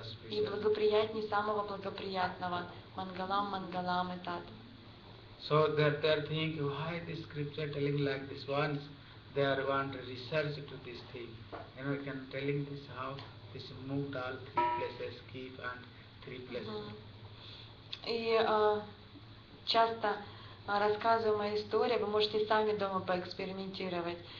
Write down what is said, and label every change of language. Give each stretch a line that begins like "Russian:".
Russian: И благоприятнее самого благоприятного. Мангалам, мангалам и дат.
English: So they're thinking, why this scripture telling like this once? They are want to research to this thing. You know, can telling this how this moved all three places, keep and three places.
Russian: И часто рассказываю мою историю, вы можете сами дома поэкспериментировать.